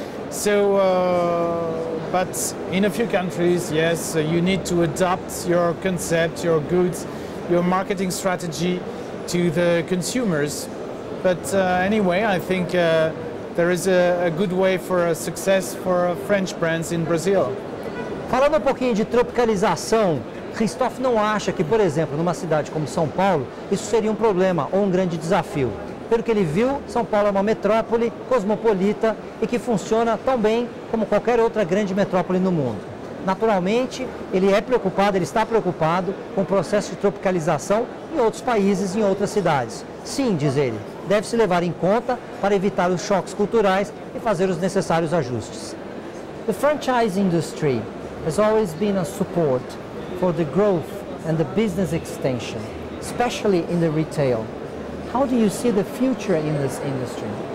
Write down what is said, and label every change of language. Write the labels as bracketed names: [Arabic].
[English] So, but in a few countries, yes, you need to adapt your concept, your goods, your marketing strategy to the consumers. But anyway, I think there is a good way for a success for French brands in Brazil. [Portuguese] Falando pouquinho de tropicalização, Christophe não acha que, por exemplo, numa cidade como São Paulo, isso seria problema ou grande desafio. pelo que ele viu, São Paulo é uma metrópole cosmopolita e que funciona tão bem como qualquer outra grande metrópole no mundo. Naturalmente, ele é preocupado, ele está preocupado com o processo de tropicalização em outros países, em outras cidades. Sim, diz ele, deve se levar em conta para evitar os choques culturais e fazer os necessários ajustes. [English] The franchise industry has always been a support for the growth and the business extension, especially in the retail. How do you see the future in this industry?